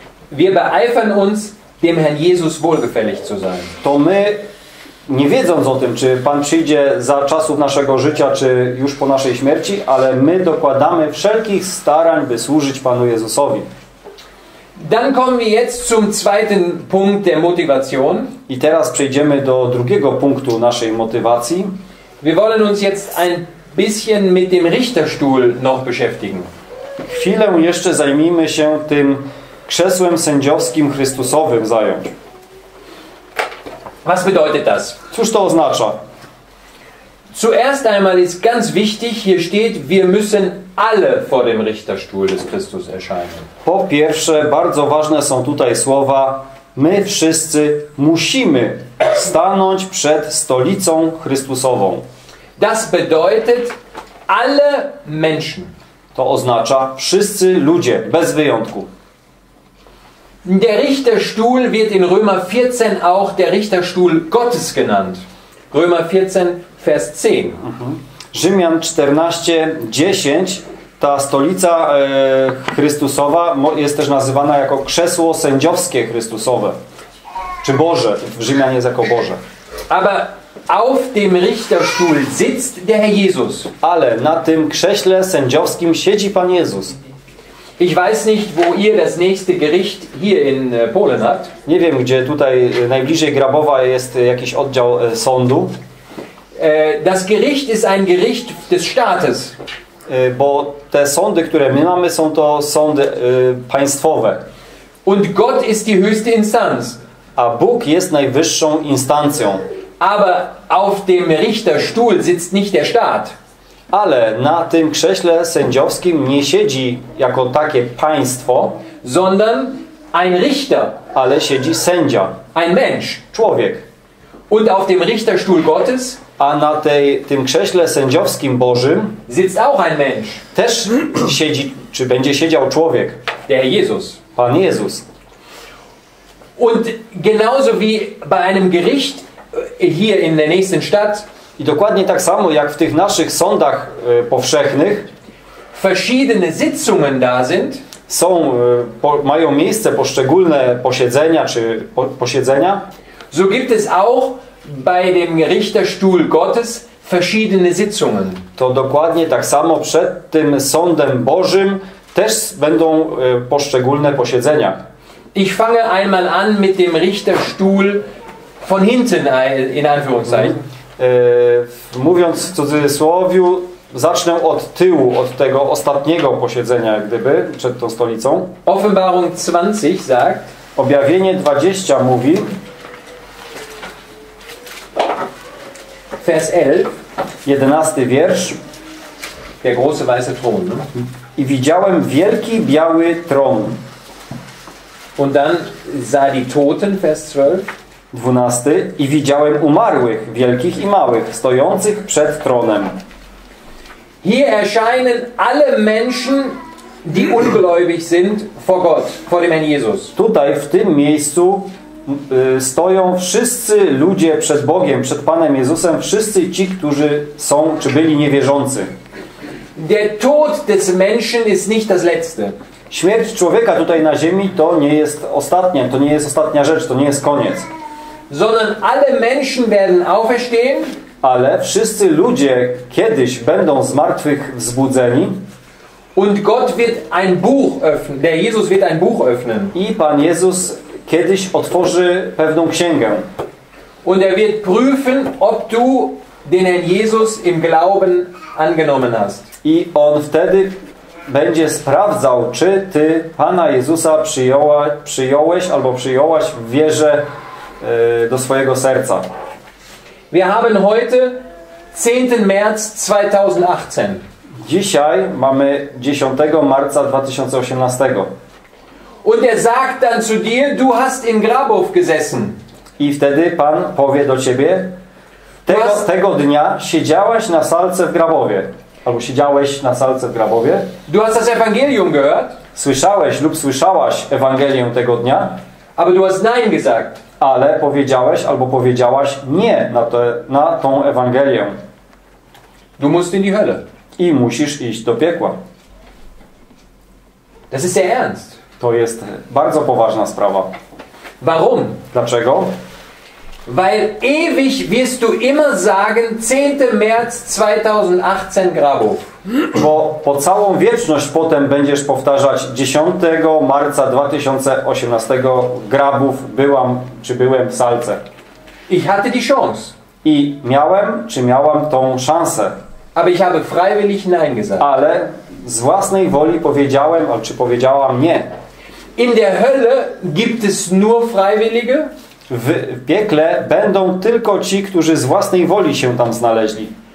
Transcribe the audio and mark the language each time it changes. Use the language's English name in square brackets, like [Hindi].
[German] Wir beeifern uns, dem Herrn Jesus wohlgefällig zu sein. [Polish] To my, nie wiedząc o tym, czy Pan przyjdzie za czasów naszego życia, czy już po naszej śmierci, ale my dokładamy wszelkich starań, by służyć Panu Jezusowi. [German] Dann kommen wir jetzt zum zweiten Punkt der Motivation. [Polish] I teraz przejdziemy do drugiego punktu naszej motywacji. [German] Wir wollen uns jetzt ein bisschen mit dem Richterstuhl noch beschäftigen. [Polish] Chwilę jeszcze zajmijmy się tym krzesłem sędziowskim Chrystusowym zająć. [German] Was bedeutet das? [Polish] Cóż to oznacza? [German] Zuerst einmal ist ganz wichtig, hier steht, wir müssen alle vor dem Richterstuhl des Christus erscheinen. [Polish] Po pierwsze, bardzo ważne są tutaj słowa, my wszyscy musimy stanąć przed stolicą Chrystusową. [German] Das bedeutet alle Menschen. [Polish] To oznacza wszyscy ludzie, bez wyjątku. [German] Der Richterstuhl wird in Römer 14 auch der Richterstuhl Gottes genannt. Römer 14, Vers 10. [Polish] Rzymian 14, 10. Ta stolica Chrystusowa jest też nazywana jako krzesło sędziowskie Chrystusowe. Czy Boże. W Rzymian jest jako Boże. [German] Aber Auf dem Richterstuhl sitzt der Herr Jesus. [Polish] Ale na tym krześle sędziowskim siedzi Pan Jezus. [German] Ich weiß nicht, wo ihr das nächste Gericht hier in Polen habt. [Polish] Nie wiem, gdzie tutaj najbliżej Grabowa jest jakiś oddział sądu. [German] Das Gericht ist ein Gericht des Staates. [Polish] Bo te sądy, które my mamy, są to sądy państwowe. [German] Und Gott ist die höchste Instanz. [Polish] A Bóg jest najwyższą instancją. [German] Aber auf dem Richterstuhl sitzt nicht der Staat. [Polish] Ale na tym krześle sędziowskim nie siedzi jako takie państwo, [German] sondern ein Richter, [Polish] ale siedzi sędzia, [German] ein Mensch, [Polish] człowiek. [German] Und auf dem Richterstuhl Gottes, [Polish] a na tym krześle sędziowskim Bożym, [German] sitzt auch ein Mensch, [Polish] też siedzi, czy będzie siedział człowiek, [German] der Jesus, [Polish] Pan Jezus. [German] Und genauso wie bei einem Gericht hier in der nächsten Stadt. [Polish] I dokładnie tak samo jak w tych naszych sądach powszechnych, [German] verschiedene Sitzungen da sind, [Polish] są, mają miejsce poszczególne posiedzenia czy posiedzenia, [German] so gibt es auch bei dem Richterstuhl Gottes verschiedene Sitzungen. [Polish] To dokładnie tak samo przed tym sądem Bożym też będą poszczególne posiedzenia. [German] Ich fange einmal an mit dem Richterstuhl von hinten in Anführungszeichen. [Polish] Mówiąc w cudzysłowie, zacznę od tyłu, od tego ostatniego posiedzenia, gdyby, przed tą stolicą. [German] Offenbarung 20 sagt. [Polish] Objawienie 20 mówi. [German] Vers 11. [Polish] 11 wiersz. [German] Der große weiße Thron. Ne? [Polish] I widziałem wielki biały tron. [German] Und dann sah die Toten, Vers 12. [Polish] 12. I widziałem umarłych, wielkich i małych, stojących przed tronem. [German] Hier erscheinen alle Menschen, die ungläubig sind, vor Gott, vor dem Herrn Jesus. [Polish] Tutaj, w tym miejscu, stoją wszyscy ludzie przed Bogiem, przed Panem Jezusem, wszyscy ci, którzy są, czy byli niewierzący. [German] Der Tod des Menschen ist nicht das Letzte. [Polish] Śmierć człowieka tutaj na ziemi to nie jest ostatnia, to nie jest ostatnia rzecz, to nie jest koniec. [German] Sondern alle Menschen werden auferstehen, [Polish] ale wszyscy ludzie kiedyś będą z martwych wzbudzeni. [German] Und Gott wird ein Buch öffnen. Der Jesus wird ein Buch öffnen. [Polish] I Pan Jezus kiedyś otworzy pewną księgę. [German] Und er wird prüfen, ob du den Herrn Jesus im Glauben angenommen hast. [Polish] I on wtedy będzie sprawdzał, czy ty Pana Jezusa przyjąłeś albo przyjąłaś w wierze do swojego serca. [German] Wir haben heute 10. März 2018. [Polish] Dzisiaj mamy 10 marca 2018. [German] Und er sagt dann zu dir, du hast in Grabow gesessen. [Polish] I wtedy Pan powie do ciebie, tego dnia siedziałeś na salce w Grabowie. Albo siedziałeś na salce w Grabowie. [German] Du hast das Evangelium gehört. [Polish] Słyszałeś lub słyszałaś Ewangelię tego dnia. [German] Aber du hast nein gesagt. [Polish] Ale powiedziałeś albo powiedziałaś nie na, te, na tą Ewangelię. [German] Du musst in die Hölle. [Polish] I musisz iść do piekła. [German] Das ist sehr ernst. [Polish] To jest bardzo poważna sprawa. [German] Warum? [Polish] Dlaczego? [German] Weil ewig wirst du immer sagen 10. März 2018 Grabow. [Polish] Bo po całą wieczność potem będziesz powtarzać 10 marca 2018 Grabów byłam, czy byłem w salce. [German] Ich hatte die Chance. [Polish] I miałem, czy miałam tą szansę. [German] Aber ich habe freiwillig nein gesagt. [Polish] Ale z własnej woli powiedziałem, czy powiedziałam nie. [German] In der Hölle gibt es nur Freiwillige. [Polish] W piekle będą tylko ci, którzy z własnej woli się tam znaleźli.